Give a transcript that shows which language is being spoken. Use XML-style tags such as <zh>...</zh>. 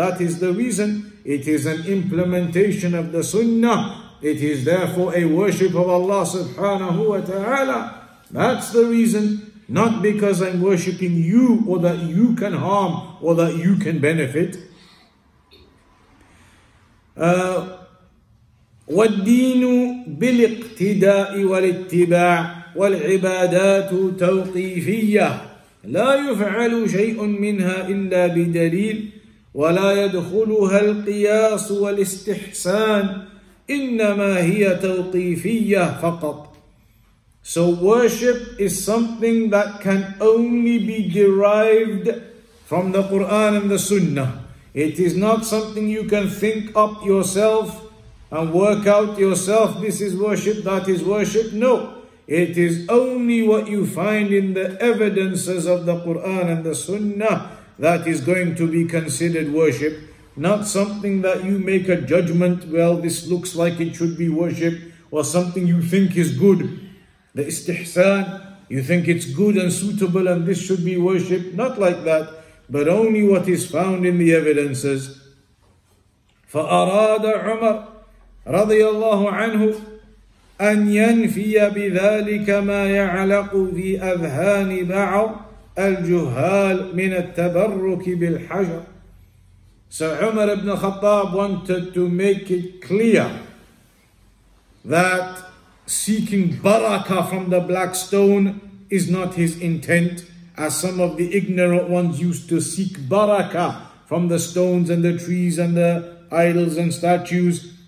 <en>That is the reason. It is an implementation of the sunnah. It is therefore a worship of Allah subhanahu wa ta'ala. That's the reason. Not because I'm worshipping you or that you can harm or that you can benefit.</en> <ar>وَالدِّينُ بِالِاقْتِدَاءِ وَالِاتِّبَاعِ وَالْعِبَادَاتُ تَوْقِيفِيَّةِ لَا يُفْعَلُ شَيْءٌ مِّنْهَا إِلَّا بِدَلِيلٍ ولا يدخلها القياس والاستحسان إنما هي توقيفية فقط.</ar> <en>So worship is something that can only be derived from the Quran and the Sunnah. It is not something you can think up yourself and work out yourself. This is worship, that is worship. No, it is only what you find in the evidences of the Quran and the Sunnah that is going to be considered worship, not something that you make a judgment, well, this looks like it should be worship, or something you think is good, the istihsan, you think it's good and suitable and this should be worship, not like that, but only what is found in the evidences.</en> <ar>فَأَرَادَ عُمَرْ رَضِيَ اللَّهُ عَنْهُ أَنْ يَنْفِيَ بِذَلِكَ مَا يَعْلَقُ فِي أَذْهَانِ بَعْضٍ الجهال من التبرك بالحجر.</ar> <en>So Umar ibn Khattab wanted to make it clear that seeking barakah from the black stone is not his intent, as some of the ignorant ones used to seek barakah from the stones and the trees and the idols and statues.</en>